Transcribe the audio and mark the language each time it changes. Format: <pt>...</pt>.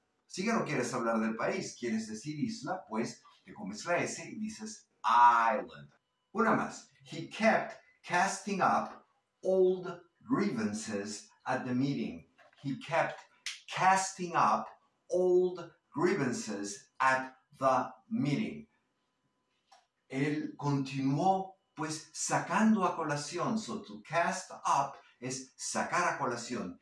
<es>Si ya no quieres hablar del país, quieres decir isla, pues te comes la S y dices island. Una más.</es> <en>He kept casting up old grievances at the meeting. He kept casting up old grievances at the meeting.</en> <es>Él continuó pues sacando a colación. So to cast up es sacar a colación.</es>